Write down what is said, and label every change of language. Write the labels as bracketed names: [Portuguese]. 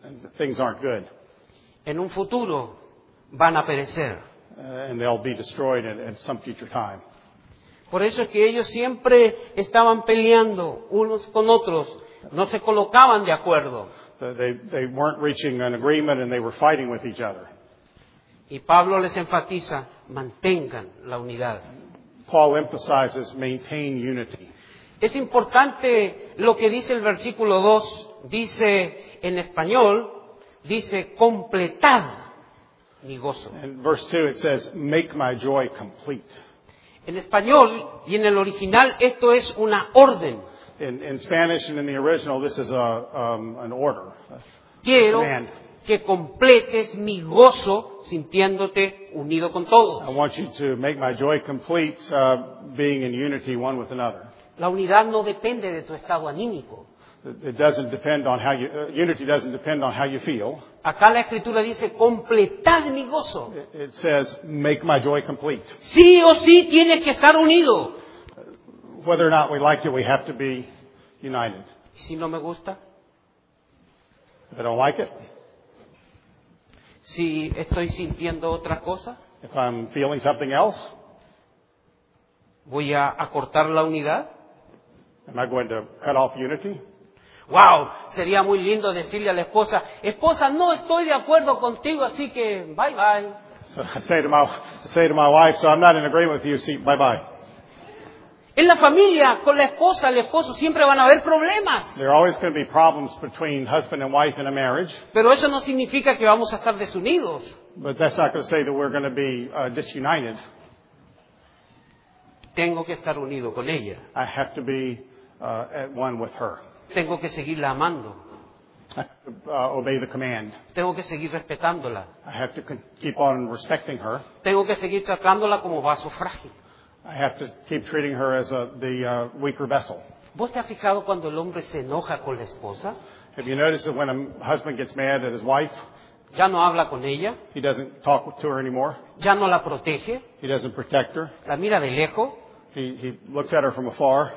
[English] And things aren't good. [Spanish] En un futuro, van a perecer. [English] And they'll be destroyed at some future time. [Spanish] Por eso es que ellos siempre estaban peleando unos con otros. No se colocaban de acuerdo. [English] They weren't reaching an agreement and they were fighting with each other. [Spanish] Y Pablo les enfatiza, mantengan la unidad. [English] Paul emphasizes, maintain unity. [Spanish] Es importante lo que dice el versículo 2, dice en español, dice completad mi gozo. [English] In verse 2 it says make my joy complete. [Spanish] En español y en el original esto es una orden. [English] In Spanish and in the original this is an order. [Spanish] Quiero que completes mi gozo sintiéndote unido con todos. [English] I want you to make my joy complete being in unity one with another. [Spanish] La unidad no depende de tu estado anímico. [English] It doesn't depend on how you, unity doesn't depend on how you feel. [Spanish] Acá la escritura dice completad mi gozo. [English] It says make my joy complete. [Spanish] Sí o sí tienes que estar unido. [English] Whether or not we like it, we have to be united. [Spanish] Si no me gusta. [English] If I don't like it. [Spanish] Si estoy sintiendo otra cosa. [English] If I'm feeling something else. [Spanish] Voy a acortar la unidad. [English] Am I going to cut off unity? [Spanish] Wow, sería muy lindo decirle a la esposa, esposa, no estoy de acuerdo contigo, así que bye bye. [English] So I say to my wife, so I'm not in agreement with you, see, bye bye. [Spanish] En la familia, con la esposa, el esposo, siempre van a haber problemas. [English] There are always going to be problems between husband and wife in a marriage. [Spanish] Pero eso no significa que vamos a estar desunidos. [English] But that's not going to say that we're going to be disunited. [Spanish] Tengo que estar unido con ella. [English] I have to be at one with her. [Spanish] Tengo que seguirla amando. [English] Obey the command. [Spanish] Tengo que seguir respetándola. [English] I have to keep on respecting her. [Spanish] Tengo que seguir tratándola como vaso frágil. [English] I have to keep treating her as the weaker vessel. [Spanish] ¿Vos te has fijado cuando el hombre se enoja con la esposa? [English] Have you noticed that when a husband gets mad at his wife? [Spanish] Ya no habla con ella. [English] He doesn't talk to her anymore. [Spanish] Ya no la protege. [English] He doesn't protect her. [Spanish] La mira de lejos. [English] He looks at her from afar.